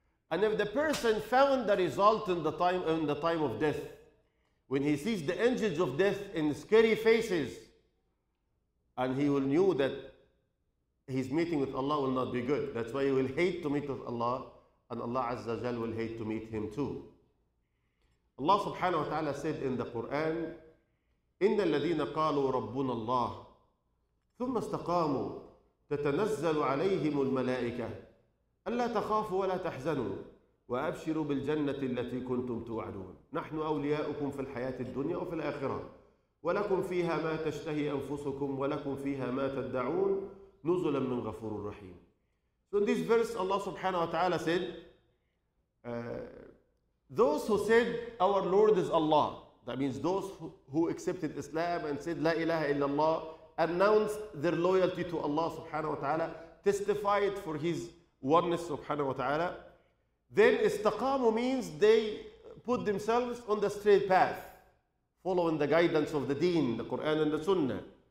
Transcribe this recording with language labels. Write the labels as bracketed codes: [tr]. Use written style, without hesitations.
[en] And if the person found the result in the time of death, when he sees the angels of death in scary faces, and he will know that his meeting with Allah will not be good. That's why he will hate to meet with Allah, and Allah Azza Jal will hate to meet him too. Allah subhanahu wa ta'ala said in the Quran, [ar] إن الذين قالوا ربنا الله ثم استقاموا تتنزل عليهم الملائكة ألا تخافوا ولا تحزنوا وأبشروا بالجنة التي كنتم توعدون. نحن أولياؤكم في الحياة الدنيا وفي الآخرة، ولكم فيها ما تشتهي أنفسكم ولكم فيها ما تدعون نزلا من غفور رحيم. [en] So in this verse Allah subhanahu wa ta'ala said, those who said our Lord is Allah, that means those who accepted Islam and said La ilaha illallah, announced their loyalty to Allah subhanahu wa ta'ala, testified for his oneness subhanahu wa ta'ala, then istaqamu means they put themselves on the straight path, following the guidance of the deen, the Quran and the sunnah.